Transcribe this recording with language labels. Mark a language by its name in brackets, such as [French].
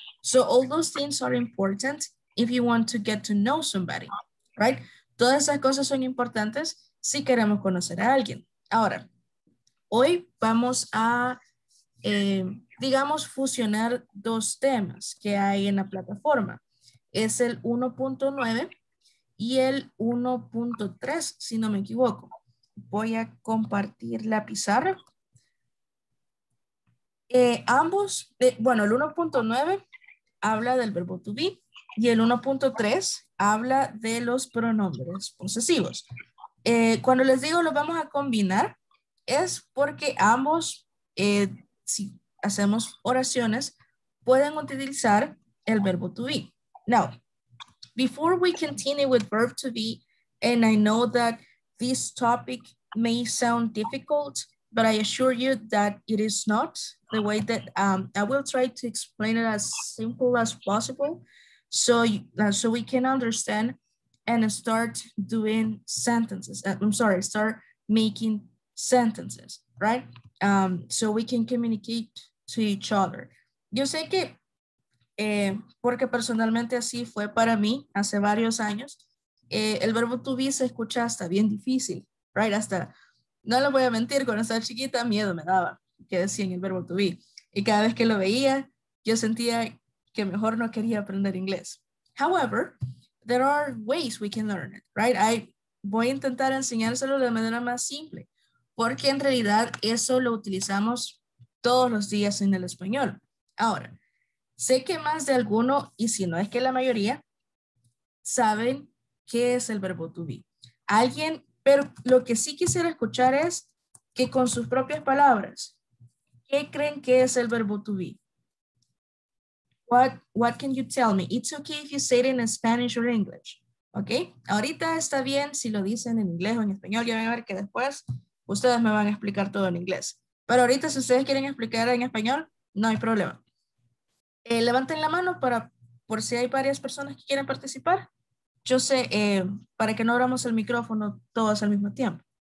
[English] So all those things are important if you want to get to know somebody, right? [Spanish] Todas esas cosas son importantes si queremos conocer a alguien. Ahora, hoy vamos a, digamos, fusionar dos temas que hay en la plataforma. Es el 1.9 y el 1.3, si no me equivoco. Voy a compartir la pizarra. Ambos, bueno, el 1.9 habla del verbo to be y el 1.3 habla de los pronombres posesivos. Cuando les digo los vamos a combinar, es porque ambos, si hacemos oraciones, pueden utilizar el verbo to be. [English] Now, before we continue with verb to be, and I know that this topic may sound difficult, but I assure you that it is not the way that I will try to explain it as simple as possible so so we can understand and start doing sentences. I'm sorry, start making sentences, right? So we can communicate to each other. [Spanish] Yo sé que, porque personalmente así fue para mí hace varios años, el verbo to be se escucha hasta bien difícil. Right, hasta, no lo voy a mentir, cuando estaba chiquita miedo me daba que decían el verbo to be. Y cada vez que lo veía, yo sentía que mejor no quería aprender inglés. [English] However, there are ways we can learn it, right? [Spanish] I voy a intentar enseñárselo de manera más simple, porque en realidad eso lo utilizamos todos los días en el español. Ahora, sé que más de alguno, y si no es que la mayoría, saben qué es el verbo to be. Alguien... Pero lo que sí quisiera escuchar es que con sus propias palabras, ¿qué creen que es el verbo to be? [English] What can you tell me? It's okay if you say it in Spanish or English. [Spanish] ¿Ok? Ahorita está bien si lo dicen en inglés o en español. Ya van a ver que después ustedes me van a explicar todo en inglés. Pero ahorita si ustedes quieren explicar en español, no hay problema. Levanten la mano para, por si hay varias personas que quieren participar. Yo sé, para que no abramos el micrófono todos al mismo tiempo.